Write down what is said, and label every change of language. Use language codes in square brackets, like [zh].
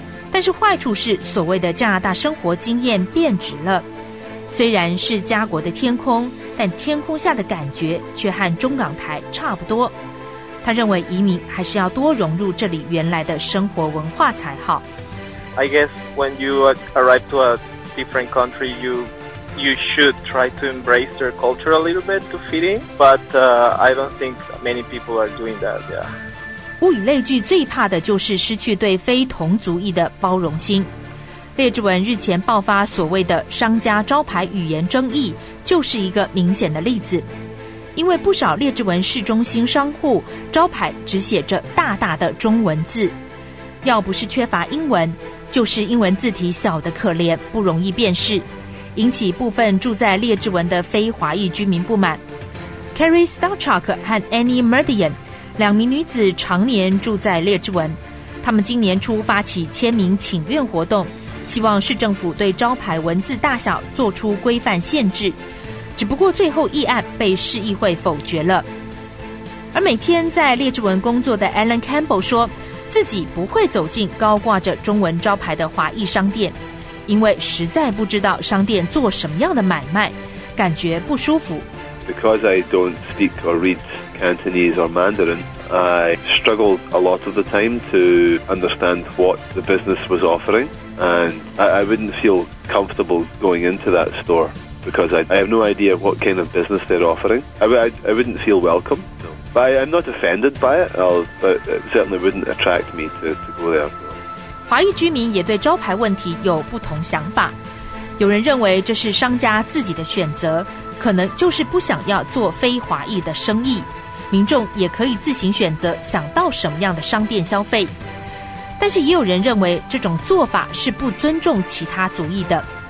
[zh] 但是坏处是所谓的加拿大生活经验变质了，虽然是加国的天空，但天空下的感觉却和中港台差不多。他认为移民还是要多融入这里原来的生活文化才好。 [en] I guess when you arrive to a different country, you should try to embrace their culture a little bit to fit in, but I don't think many people are doing that, yeah. [zh] 物以类聚最怕的就是失去对非同族裔的包容心。列治文日前爆发所谓的商家招牌语言争议，就是一个明显的例子。因为不少列治文市中心商户招牌只写着大大的中文字，要不是缺乏英文，就是英文字体小得可怜，不容易辨识，引起部分住在列治文的非华裔居民不满。 Carrie Stalchuk 和 Annie Merdian 两名女子常年住在列治文，她们今年初发起签名请愿活动，希望市政府对招牌文字大小做出规范限制，只不过最后议案被市议会否决了。而每天在列治文工作的 Alan Campbell 说，自己不会走进高挂着中文招牌的华裔商店，因为实在不知道商店做什么样的买卖，感觉不舒服。 [en] Because I don't speak or read Cantonese or Mandarin, I struggled a lot of the time to understand what the business was offering, and I wouldn't feel comfortable going into that store because I have no idea what kind of business they're offering. I wouldn't feel welcome. But I'm not offended by it, but it certainly wouldn't attract me to go there. [zh] 华裔居民也对招牌问题有不同想法，有人认为这是商家自己的选择，可能就是不想要做非华裔的生意，民众也可以自行选择想到什么样的商店消费。但是也有人认为这种做法是不尊重其他族裔的。